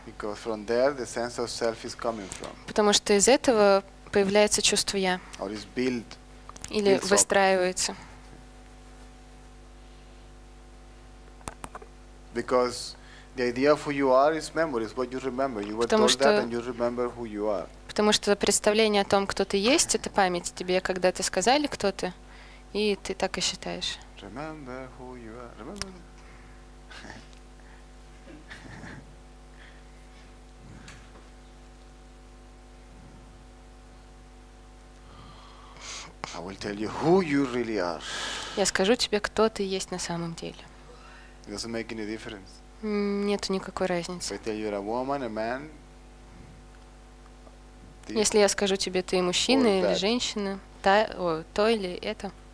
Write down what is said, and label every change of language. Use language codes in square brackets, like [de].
[en] Because from there the sense of self is coming from. [ru] Потому что из этого появляется чувство я. [en] Or is built. [ru] Или выстраивается. [en] Because the idea of who you are is memory, is what you remember. You were told that and you remember who you are. [ru] Потому что представление о том, кто ты есть, это память. Тебе когда-то сказали, кто ты, и ты так и считаешь. [en] Remember who you are. Remember. I will tell you who you really are. [ru] Я скажу тебе, кто ты есть на самом деле. [en] It doesn't make any difference. [ru] Нету никакой разницы. [en] You a woman, a man, [ru] если я скажу тебе, ты мужчина или женщина, то или это.